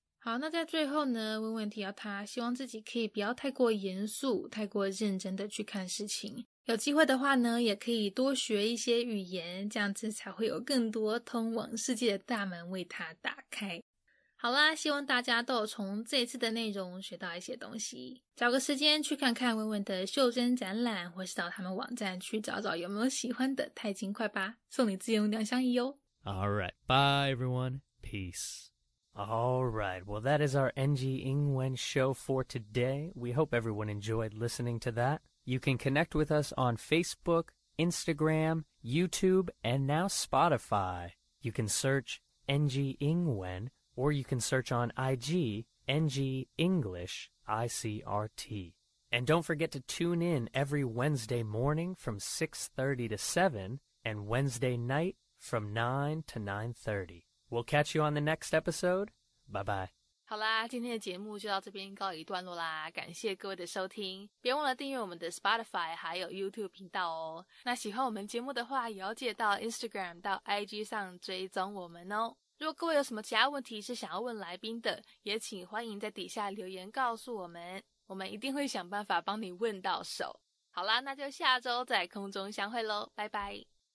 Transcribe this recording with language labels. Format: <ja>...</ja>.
<zh>好，那在最后呢，温温提到他希望自己可以不要太过严肃，太过认真的去看事情，有机会的话呢，也可以多学一些语言，这样子才会有更多通往世界的大门为他打开。好啦，希望大家都有从这次的内容学到一些东西，找个时间去看看文文的袖珍展览，或是到他们网站去找找有没有喜欢的钛金块吧，送你自用两相宜哦。</zh> <en>All right. Bye, everyone. Peace. All right. Well, that is our NG Ingwen show for today. We hope everyone enjoyed listening to that. You can connect with us on Facebook, Instagram, YouTube, and now Spotify. You can search NG Ingwen, or you can search on IG, NG English, ICRT. And don't forget to tune in every Wednesday morning from 6:30 to 7, and Wednesday night from 9 to 9:30. We'll catch you on the next episode. Bye-bye.</en> <zh>好啦，今天的节目就到这边告一段落啦，感谢各位的收听，别忘了订阅我们的 Spotify 还有 YouTube 频道哦。那喜欢我们节目的话，也要记得到 Instagram 到 IG 上追踪我们哦。如果各位有什么其他问题是想要问来宾的，也请欢迎在底下留言告诉我们，我们一定会想办法帮你问到手。好啦，那就下周在空中相会咯，拜拜。</zh>